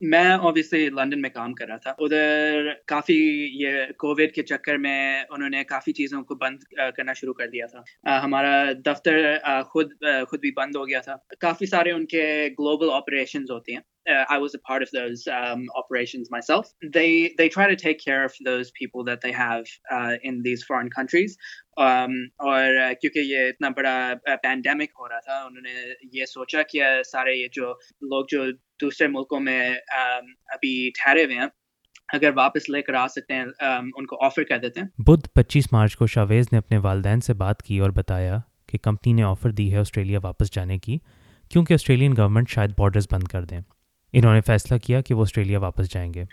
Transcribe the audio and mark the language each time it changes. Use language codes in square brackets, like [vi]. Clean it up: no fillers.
[ur] میں obviously London میں کام کر رہا تھا، ادھر کافی یہ کووڈ کے چکر میں انہوں نے کافی چیزوں کو بند کرنا شروع کر دیا تھا، ہمارا دفتر خود بھی بند ہو گیا تھا، کافی سارے ان کے گلوبل آپریشنز ہوتے ہیں، [en] I was a part of those operations myself. They try to take care of those people that they have in these foreign countries. [ur] اور کیونکہ یہ اتنا بڑا پینڈیمک ہو رہا تھا، انہوں نے یہ سوچا کہ سارے یہ جو لوگ جو دوسرے ملکوں میں ابھی ٹھہرے ہوئے ہیں، اگر واپس لے کر آ سکتے ہیں ان کو آفر کر دیتے ہیں۔ بدھ 25 مارچ کو شاویز نے اپنے والدین سے بات کی اور بتایا کہ کمپنی نے آفر دی ہے آسٹریلیا واپس جانے کی، کیونکہ آسٹریلین گورنمنٹ شاید بارڈرز بند کر دیں۔ انہوں نے فیصلہ کیا کہ وہ آسٹریلیا واپس جائیں گے۔